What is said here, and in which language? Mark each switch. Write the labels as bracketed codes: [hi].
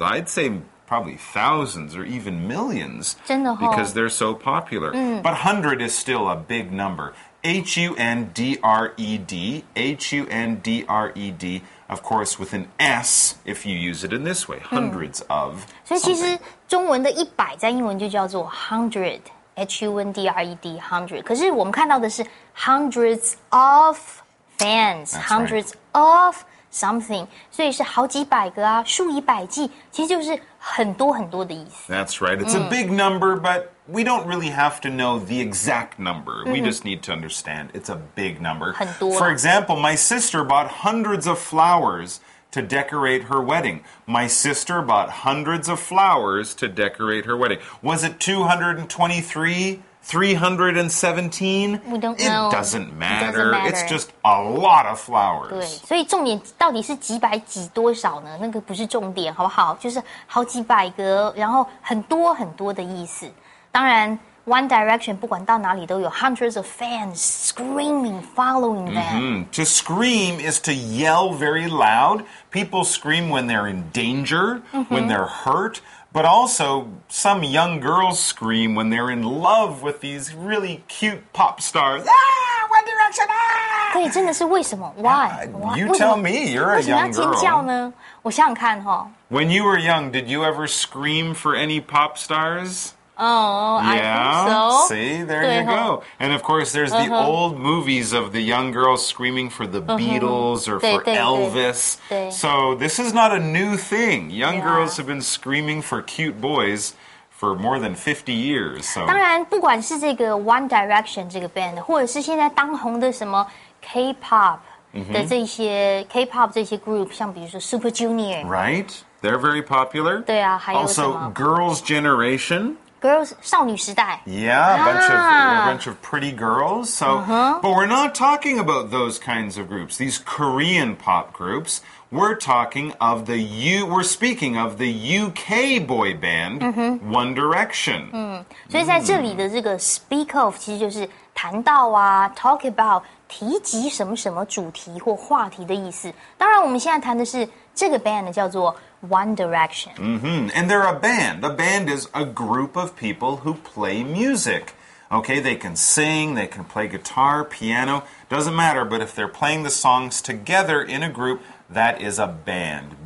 [en] I'd say probably thousands or even millions. [zh] 真的哦。 [en] Because they're so popular. But 100 is still a big number. H-U-N-D-R-E-D. H-U-N-D-R-E-D. Of course, with an S if you use it in this way. Hundreds of. [zh] 所以其实中文的100在英文就叫做 100. H-U-N-D-R-E-D, 100. 可是我们看到的是 [en] hundreds of fans,、 That's、 hundreds、 right. of something. [zh] 所以是好几百个啊，数以百计，其实就是很多很多的意思。 [en] That's right. It's、mm. a big number, but we don't really have to know the exact number.、Mm-hmm. We just need to understand it's a big number. [zh] 很多、 [en] 啊。For example, my sister bought hundreds of flowers. To decorate her wedding. My sister bought hundreds of flowers to decorate her wedding. Was it 223? 317? We don't it know. It doesn't matter. It doesn't matter. It's just a lot of flowers. [zh] 对，所以重点到底是几百几多少呢？那个不是重点，好不好？就是好几百个，然后很多很多的意思。当然One Direction, 不管到哪里都有 [en] hundreds of fans screaming, following them.、 Mm-hmm. To scream is to yell very loud. People scream when they're in danger,、mm-hmm. when they're hurt. But also, some young girls scream when they're in love with these really cute pop stars. Ah, One Direction, ah! [zh] 对，真的是为什么 [en] Why? You tell me, you're a young girl. [zh] 为什么要尖叫呢？我想想看哦。 [en] When you were young, did you ever scream for any pop stars? Oh, yeah, I think so. See, there you go. And of course, there's、uh-huh. the old movies of the young girls screaming for the、uh-huh. Beatles or for Elvis. So this is not a new thing. Young、 yeah. girls have been screaming for cute boys for more than 50 years.、So. [zh] 当然不管是这个 One Direction 这个 band, 或者是现在当红的什么 K-pop 的这些、mm-hmm. K-pop 这些 group, 像比如说 Super Junior. [en] Right, they're very popular. [zh] 对啊，还有什么 [en] Also, Girls' Generation. [zh] Girls, 少女时代 [en] Yeah, a bunch of pretty girls. So,、uh-huh. But we're not talking about those kinds of groups, these Korean pop groups. We're speaking of the UK boy band,、uh-huh. One Direction.、 [zh] 嗯、所以在这里的这个 speak of 其实就是谈到啊 [en] talk about, [zh] 提及什么什么主题或话题的意思。当然我们现在谈的是这个 band 叫做One Direction. [en] Mm-hmm. And they're a band. A band is a group of people who play music. Okay, they can sing, they can play guitar, piano. Doesn't matter, but if they're playing the songs together in a group, that is a band.